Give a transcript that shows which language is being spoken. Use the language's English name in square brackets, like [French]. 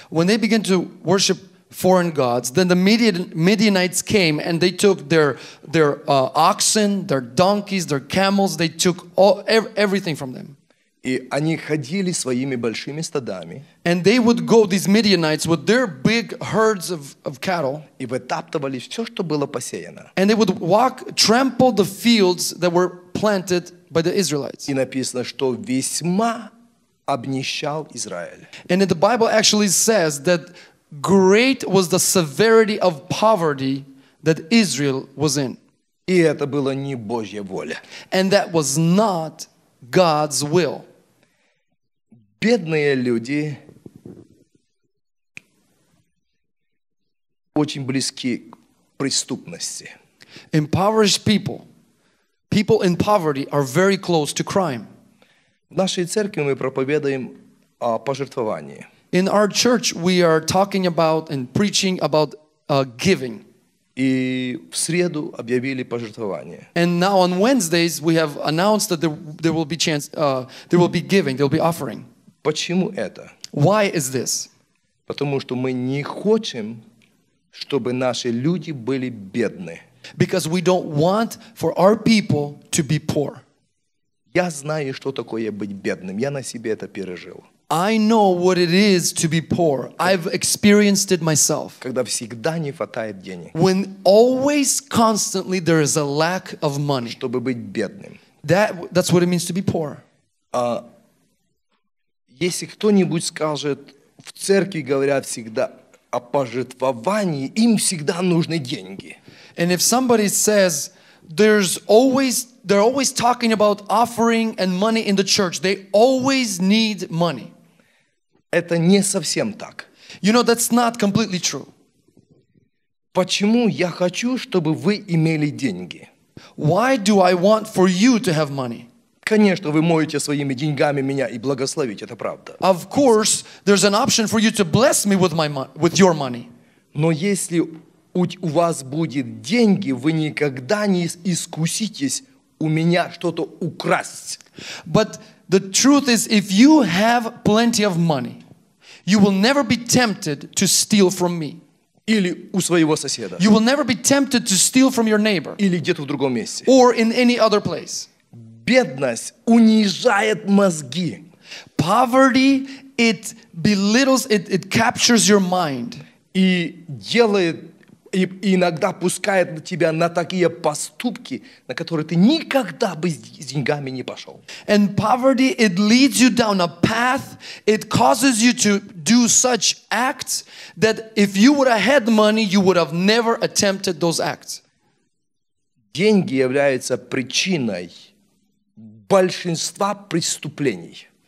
[English] When they began to worship foreign gods, then the Midianites came and they took their oxen, their donkeys, their camels, they took everything from them. [Russian] И они ходили своими большими стадами. [English] And they would go, these Midianites, with their big herds of cattle. [Russian] И вытаптывали все, что было посеяно. [English] And they would walk, trample the fields that were planted by the Israelites. [Russian] И написано, что весьма обнищал Израиль. [English] And the Bible actually says that great was the severity of poverty that Israel was in. [Russian] И это было не Божья воля. [English] And that was not God's will. [Russian] Бедные люди очень близки к преступности. [English] Impoverished people, people in poverty are very close to crime. [Russian] В нашей церкви мы проповедуем о пожертвовании. [English] In our church we are talking about and preaching about giving. [Russian] И в среду объявили пожертвование. [English] And now on Wednesdays we have announced that there will be chance, there will be giving, there will be offering. [Russian] Почему это? [English] Why is this? [Russian] Потому что мы не хотим, чтобы наши люди были бедны. [English] Because we don't want for our people to be poor. [Russian] Я знаю, что такое быть бедным. Я на себе это пережил. [English] I know what it is to be poor. I've experienced it myself. [Russian] Когда всегда не хватает денег. [English] When always constantly there is a lack of money. [Russian] Чтобы быть бедным. [English] That's what it means to be poor. [Russian] Если кто-нибудь скажет, в церкви говорят всегда о пожертвовании, им всегда нужны деньги. [English] And if somebody says they're always talking about offering and money in the church, they always need money. [Russian] Это не совсем так. [English] You know, that's not completely true. [Russian] Почему я хочу, чтобы вы имели деньги? [English] Why do I want for you to have money? [Russian] Конечно, вы моете своими деньгами меня и благословите, это правда. [English] Of course, there's an option for you to bless me with your money. [Russian] Но если у вас будет деньги, вы никогда не искуситесь у меня что-то украсть. [English] But the truth is, if you have plenty of money, you will never be tempted to steal from me. [Russian] Или у своего соседа. [English] You will never be tempted to steal from your neighbor. [Russian] Или где-то в другом месте. [English] Or in any other place. [Russian] Бедность унижает мозги. [English] Poverty, it belittles, it captures your mind. [Russian] И делает, и иногда пускает тебя на такие поступки, на которые ты никогда бы с деньгами не пошел. [English] And poverty, it leads you down a path, it causes you to do such acts that if you would have had money, you would have never attempted those acts. [Russian] Деньги являются причиной большинства преступлений.